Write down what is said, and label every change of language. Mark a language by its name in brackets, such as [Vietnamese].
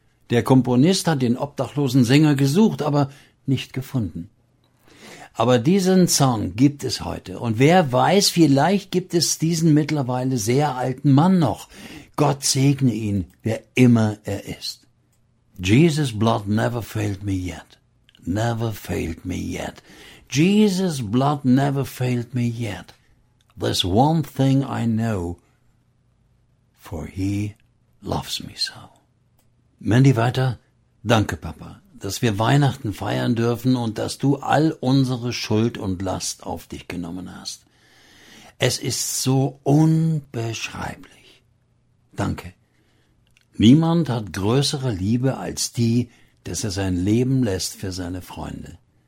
[German] Der Komponist hat den obdachlosen Sänger gesucht, aber nicht gefunden. Aber diesen Song gibt es heute. Und wer weiß, vielleicht gibt es diesen mittlerweile sehr alten Mann noch. Gott segne ihn, wer immer er ist. [English] Jesus' Blood never failed me yet. Never failed me yet. Jesus' blood never failed me yet. This one thing I know, for he loves me so. [German] Mandy weiter: Danke, Papa, dass wir Weihnachten feiern dürfen und dass du all unsere Schuld und Last auf dich genommen hast. Es ist so unbeschreiblich. Danke. Niemand hat größere Liebe als die, dass er sein Leben lässt für seine Freunde.